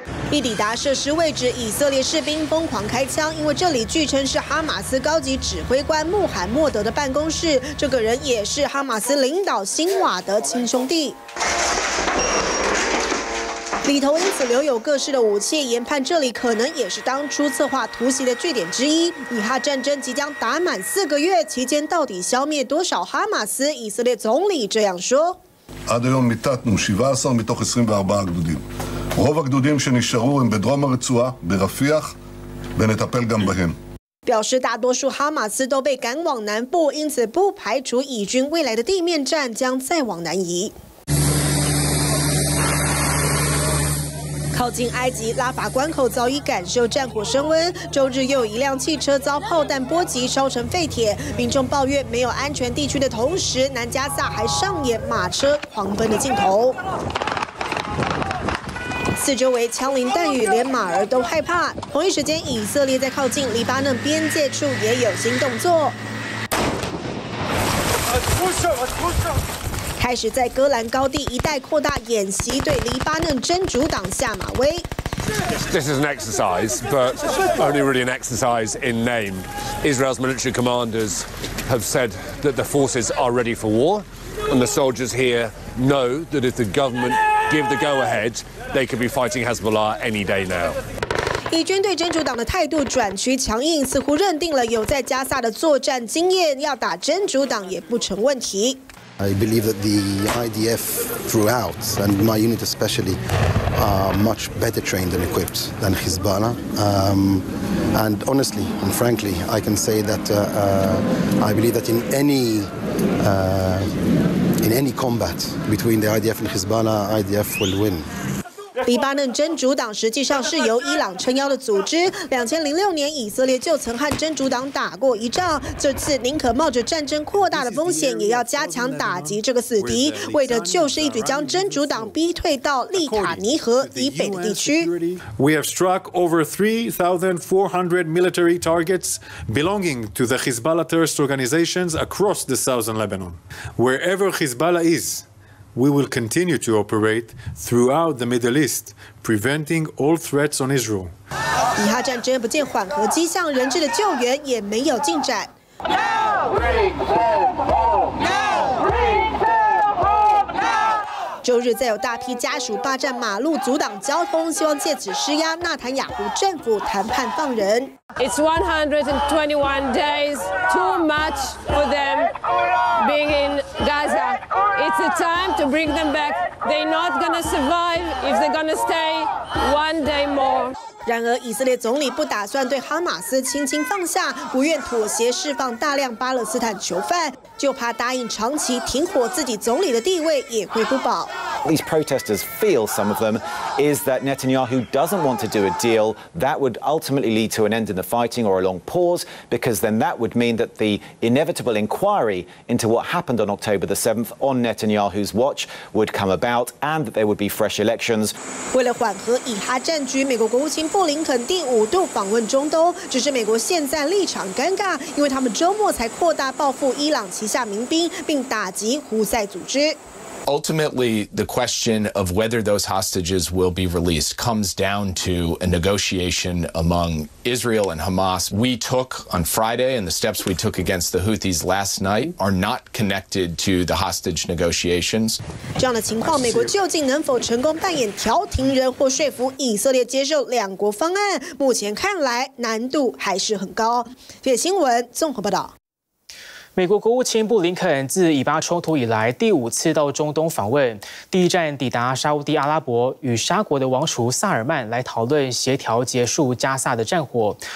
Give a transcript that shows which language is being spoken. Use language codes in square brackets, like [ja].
[zh] 一抵达设施位置，以色列士兵疯狂开枪，因为这里据称是哈马斯高级指挥官穆罕默德的办公室，这个人也是哈马斯领导辛瓦德亲兄弟。里头因此留有各式的武器，研判这里可能也是当初策划突袭的据点之一。以哈战争即将打满四个月，期间到底消灭多少哈马斯？以色列总理这样说。 [he] עד היום מיטטנו 17 מתוך 24 גדודים. רוב הגדודים שנשארו הם בדרום הרצועה, ברפיח, ונטפל גם בהם. [zh] 表示大多数哈马斯都被赶往南部，因此不排除以军未来的地面战将再往南移。靠近埃及拉法关口早已感受战火升温，周日又有一辆汽车遭炮弹波及烧成废铁，民众抱怨没有安全地区的同时，南加萨还上演马车狂奔的镜头。四周围枪林弹雨，连马儿都害怕。同一时间，以色列在靠近黎巴嫩边界处也有新动作，开始在戈兰高地一带扩大演习，对黎巴嫩真主党下马威。 [en] This is an exercise, but only really an exercise in name. Israel's military commanders have said that the forces are ready for war, and the soldiers here know that if the government give the go-ahead, they could be fighting Hezbollah any day now. [zh] 以军对真主党的态度转趋强硬，似乎认定了有在加萨的作战经验，要打真主党也不成问题。 [en] I believe that the IDF throughout, and my unit especially, are much better trained and equipped than Hezbollah. And honestly and frankly, I can say that I believe that in any combat between the IDF and Hezbollah, IDF will win. [zh] 黎巴嫩真主党实际上是由伊朗撑腰的组织。 2006年，以色列就曾和真主党打过一仗。这次宁可冒着战争扩大的风险，也要加强打击这个死敌，为的就是一举将真主党逼退到利卡尼河以北的地区。 [en] We have struck over 3,400 military targets belonging to the Hezbollah terrorist organizations across the southern Lebanon. Wherever Hezbollah is. We will continue to operate throughout the Middle East, preventing all threats on Israel. [zh] 以哈战争不见缓和迹象，人质的救援也没有进展。周日再有大批家属霸占马路阻挡交通，希望借此施压纳坦雅胡政府谈判放人。 [en] It's 121 days, too much for them being in Gaza. It's a time to bring them back. They're not gonna survive if they're gonna stay one day more. [zh] 然而，以色列总理不打算对哈马斯轻轻放下，不愿妥协释放大量巴勒斯坦囚犯，就怕答应长期停火，自己总理的地位也会不保。 [en] These protesters feel some of them is that Netanyahu doesn't want to do a deal that would ultimately lead to an end in the fighting or a long pause, because then that would mean that the inevitable inquiry into what happened on October the 7th on Netanyahu's watch would come about, and that there would be fresh elections. [zh] 为了缓和以哈战局，美国国务卿。布林肯第五度访问中东，只是美国现在立场尴尬，因为他们周末才扩大报复伊朗旗下民兵，并打击胡塞组织。 [en] Ultimately, the question of whether those hostages will be released comes down to a negotiation among Israel and Hamas. We took on Friday and the steps we took against the Houthis last night are not connected to the hostage negotiations. [zh] 这样的情况，美国究竟能否成功扮演调停人或说服以色列接受两国方案？目前看来难度还是很高。谢新闻综合报道。美国国务卿布林肯自以巴冲突以来第五次到中东访问，第一站抵达沙烏地阿拉伯，与沙国的王储萨尔曼来讨论协调结束加萨的战火。